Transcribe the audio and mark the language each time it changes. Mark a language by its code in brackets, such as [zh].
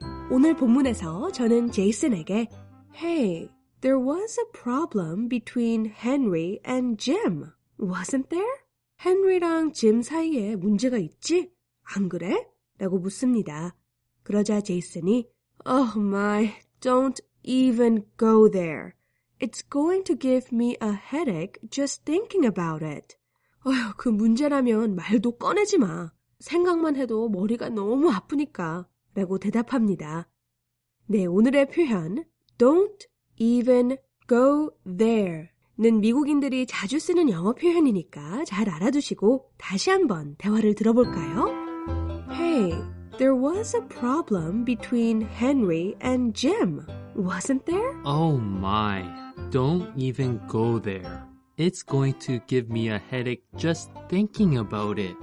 [ko] 오늘 본문에서 저는 제이슨에게 [en] Hey, there was a problem between Henry and Jim, wasn't there? [ko] 헨리랑 짐 사이에 문제가 있지? 안 그래? 라고 묻습니다. 그러자 제이슨이 [en] Oh my, don't even go there. It's going to give me a headache just thinking about it. [ko] 어휴, 그 문제라면 말도 꺼내지 마. 생각만 해도 머리가 너무 아프니까. 라고 대답합니다. 네, 오늘의 표현 [en] Don't even go there [ko] 는 미국인들이 자주 쓰는 영어 표현이니까 잘 알아두시고 다시 한번 대화를 들어볼까요? [en] Hey, there was a problem between Henry and Jim, wasn't there? Oh my, don't even go there. It's going to give me a headache just thinking about it.